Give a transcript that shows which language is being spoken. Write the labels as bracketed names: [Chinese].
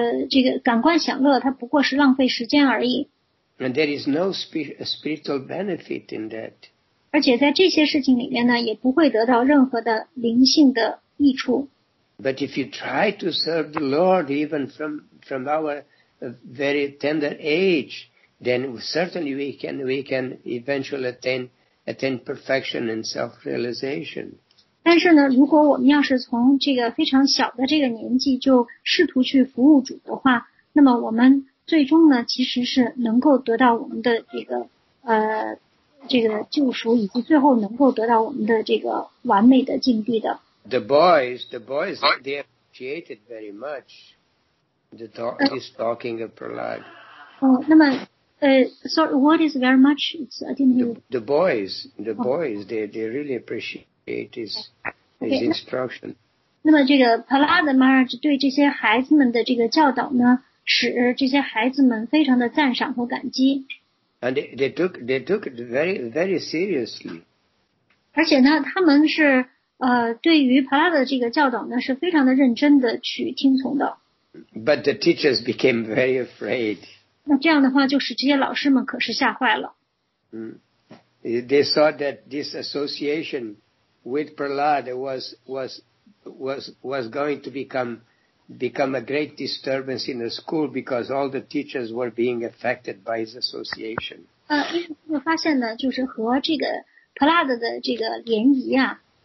[Chinese] 这个感官享乐它不过是浪费时间而已。 [English] And there is no spiritual benefit in that. [Chinese] 而且在这些事情里面呢，也不会得到任何的灵性的益处。 [English] But if you try to serve the Lord even from our very tender age, then certainly we can eventually attain perfection and self-realization. [Chinese] 但是呢，如果我们要是从这个非常小的这个年纪就试图去服务主的话，那么我们最终呢，其实是能够得到我们的这个救赎，以及最后能够得到我们的这个完美的境地的。 [English] The boys, they appreciated very much this talking of Prahlad. What is very much? The boys, they really appreciate his instruction. [Chinese] 那么这个 Prahlad Maharaj 对这些孩子们的这个教导呢，使这些孩子们非常的赞赏和感激。 [English] And they took it very, very seriously. [Chinese] 而且呢，他们是对于帕拉的这个教导呢，是非常的认真的去听从的。 [English] But the teachers became very afraid. [Chinese] 那这样的话，就是这些老师们可是吓坏了。 [English] They saw that this association with Prahlad was going to become a great disturbance in the school because all the teachers were being affected by his association. [Chinese] 我发现呢，就是和这个帕拉的这个联谊啊。